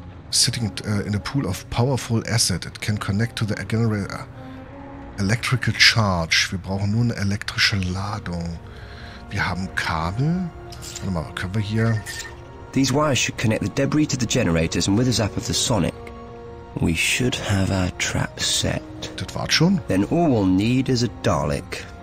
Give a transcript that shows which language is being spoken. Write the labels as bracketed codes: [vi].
[en] Sitting in a pool of powerful acid. It can connect to the generator. Electrical charge. [de] Wir brauchen nur eine elektrische Ladung. Wir haben Kabel. Warte mal, können wir hier... [en] These wires should connect the debris to the generators and with a zap of the sonic, we should have our trap set. [de] Das war's schon. [en] Then all we'll need is a Dalek.